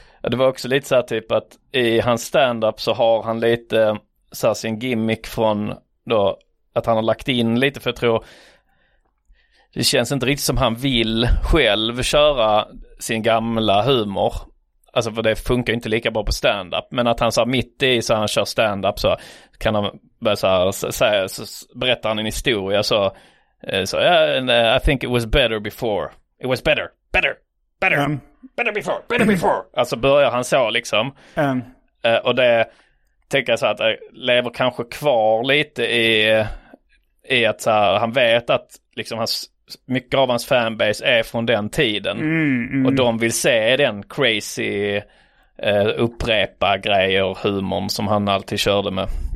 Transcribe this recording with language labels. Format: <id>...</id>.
<sv>det var också lite så här typ att i hans stand-up så har han lite så här sin gimmick från då att han har lagt in lite, för jag tror det känns inte riktigt som han vill själv köra sin gamla humor. Alltså för det funkar inte lika bra på stand-up, men att han så här mitt i så han kör stand-up så kan han börja så här, så berättar han en historia så</sv> <en>yeah, I think it was better before. It was better, better, better. Better before.</en> <sv>Alltså börjar han så liksom. Och det tänker jag så att jag lever kanske kvar lite i att så här, han vet att liksom hans, mycket av hans fanbase är från den tiden. Och de vill se den crazy upprepa grejer och humorn som han alltid körde med.</sv>